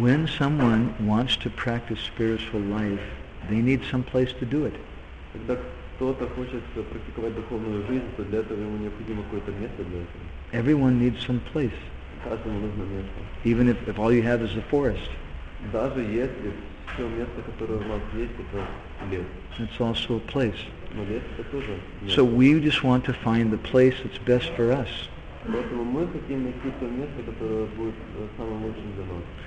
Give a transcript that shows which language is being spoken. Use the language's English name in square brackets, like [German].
[English] When someone wants to practice spiritual life, they need some place to do it. [Russian] Когда кто-то хочет практиковать духовную жизнь, то для этого ему необходимо какое-то место для этого. [English] Everyone needs some place. [Russian] Каждому нужно место. [English] Even if all you have is a forest. [Russian] Даже если все место, которое у вас есть, это лес. [English] It's also a place. [Russian] Но лес это тоже место. [English] So we just want to find the place that's best for us. [Russian] Поэтому мы хотим найти то место, которое будет самым лучшим для нас.